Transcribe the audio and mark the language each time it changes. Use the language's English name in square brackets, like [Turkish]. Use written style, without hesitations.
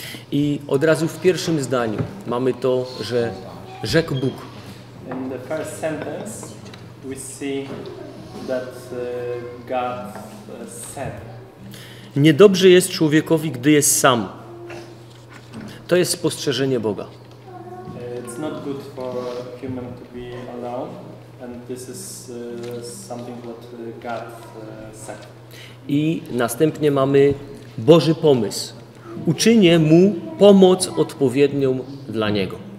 [Polish] I od razu w pierwszym zdaniu mamy to, że rzekł Bóg. [English] In the first sentence we see that God said. [Polish] Niedobrze jest człowiekowi, gdy jest sam. To jest spostrzeżenie Boga. [English] It's not good for a human to be alone. And this is something what God said. [Polish] I następnie mamy Boży pomysł. Uczynię mu pomoc odpowiednią dla niego.